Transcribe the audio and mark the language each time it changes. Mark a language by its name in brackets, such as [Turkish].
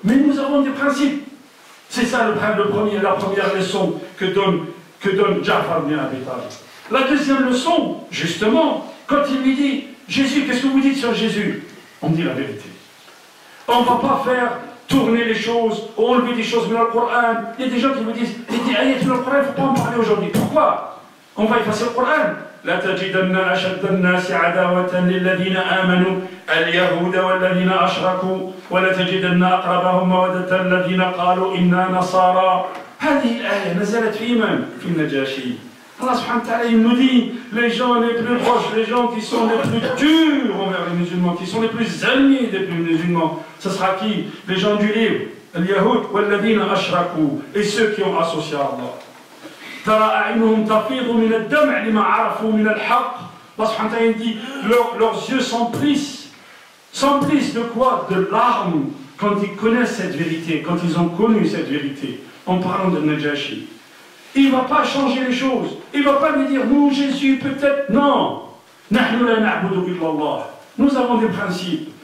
[French] Mais nous avons des principes. C'est ça la première leçon que donne Ja'far ibn Abi Talib. La deuxième leçon, justement, quand il lui dit, Jésus, qu'est-ce que vous dites sur Jésus ? On dit la vérité. On ne va pas faire tourner les choses, enlever des choses dans le Coran. Il y a des gens qui me disent, il dit, allez, tout le Coran, il ne faut pas en parler aujourd'hui. Pourquoi ? On va effacer le Coran. [Arabic] لا تجدن أشد الناس عداوة للذين آمنوا اليهود والذين أشركوا ولا تجدن أقربهم مودة الذين قالوا إنا نصارى. هذه الآية نزلت في من؟ في النجاشي. الله سبحانه وتعالى [French] nous dit les gens les plus proches, les gens qui sont les plus durs envers les musulmans, qui sont les plus ennemis des plus musulmans, ce sera qui? Les gens du livre, [Arabic] اليهود والذين أشركوا, [French] et ceux qui ont associé à Allah. [Arabic] ترى أعينهم تفيض من الدمع لما عرفوا من الحق. الله سبحانه وتعالى [French] dit leurs yeux s'emplissent de quoi? De larmes quand ils connaissent cette vérité, quand ils ont connu cette vérité. En parlant de Najashi, il va pas changer les choses, il va pas lui dire nous Jésus peut-être, non, [Arabic] نحن لا نعبد إلا الله, [French] nous avons des principes.